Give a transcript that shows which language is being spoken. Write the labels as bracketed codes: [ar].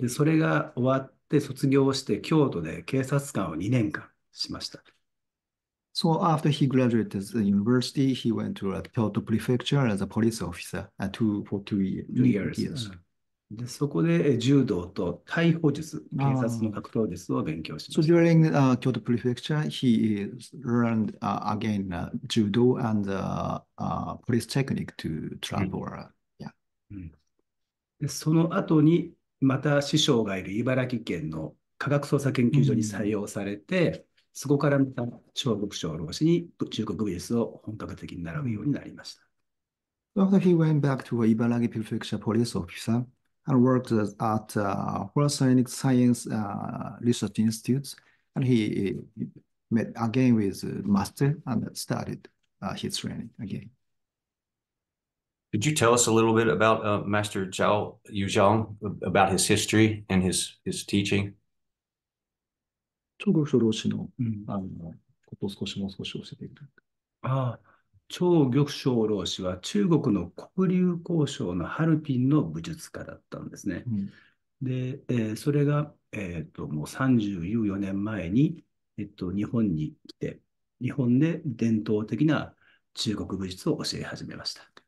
[ja] で、それが終わって卒業して京都で警察官を2年間しました。 [en] So after he graduated the university, he went to Kyoto Prefecture as a police officer for two years. [ja] で、そこで柔道と逮捕術、警察の格闘術を勉強しました。 [en] So during Kyoto Prefecture, he learned judo and the police technique to travel. [ja] で、その後にまた師匠がいる茨城県の科学捜査研究所に採用されて、そこからまた中国鐘楼師に中国武術を本格的に習うようになりました。 [en] After he went back to a Ibaraki Prefecture police officer and worked at a Polytechnic Science Research Institute, and he met again with Master and started his training again. Could you tell us a little bit about Master Zhao Yuzhong, about his history and his teaching? [ja] 張玉章老師の、ことを少しもう少し教えていただく。ああ、張玉章老師は中国の黒竜江省のハルピンの武術家だったんですね。で、それが、もう34年前に、日本に来て、日本で伝統的な中国武術を教え始めました。